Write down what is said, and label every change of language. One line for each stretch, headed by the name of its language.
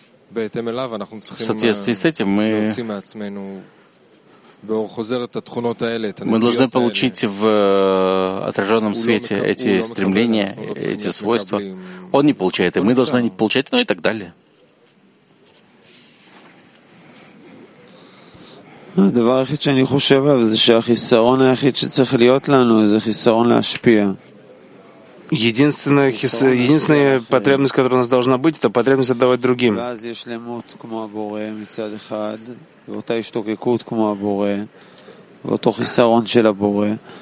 Russian: В соответствии с этим мы должны получить в отраженном свете эти стремления, эти свойства. Он не получает, и мы должны не получать, ну и так далее.
Hebrew: הדבר היחיד שאני חושב עליו זה שהחיסרון היחיד שצריך להיות לנו זה חיסרון להשפיע.
Russian: Единственная потребность, которая у нас должна быть, это потребность отдавать другим.
Hebrew: ואז יש למות כמו הבורא מצד אחד, ואותה השתוקקות כמו הבורא, ואותו חיסרון של הבורא.